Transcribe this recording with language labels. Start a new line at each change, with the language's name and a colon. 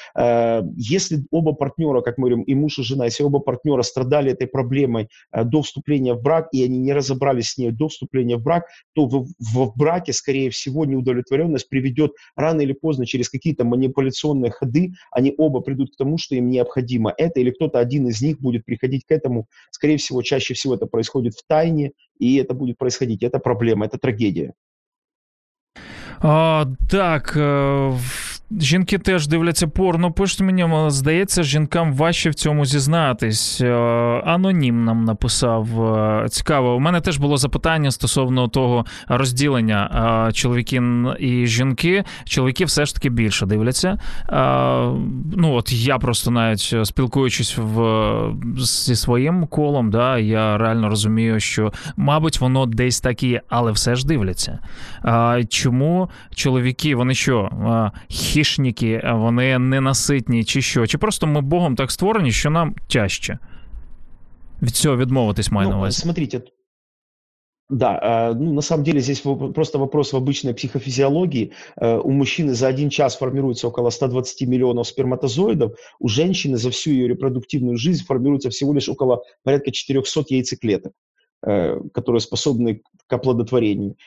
Russian: Если оба партнера, как мы говорим, и муж, и жена, если оба партнера страдали этой проблемой до вступления в брак, и они не разобрались с ней до вступления в брак, то в браке, скорее всего, неудовлетворенность приведет рано или поздно через какие-то манипуляционные ходы, они оба придут к тому, что им необходимо это, или кто-то один из них будет приходить к этому. Скорее всего, чаще всего это происходит втайне, и это будет происходить. Это проблема, это трагедия.
Ukrainian: Так, Жінки теж дивляться порно, пишуть мені, здається, жінкам важче в цьому зізнатись. Анонім нам написав. Цікаво, у мене теж було запитання стосовно того розділення чоловіки і жінки. Чоловіки все ж таки більше дивляться. Ну от я просто навіть спілкуючись зі своїм колом, да, я реально розумію, що мабуть воно десь так і є, але все ж дивляться. Чому чоловіки, вони що, хищники, вони ненаситні, чи що? Чи просто ми Богом так створені, що нам тяжче від цього відмовитись, маю на увазі?
Russian: Смотрите, да, ну, на самом деле, здесь просто вопрос в обычной психофизиологии. У мужчины за один час формируется около 120 миллионов сперматозоидов, у женщины за всю ее репродуктивную жизнь формируется всего лишь около порядка 400 яйцеклеток, которые способны к оплодотворению.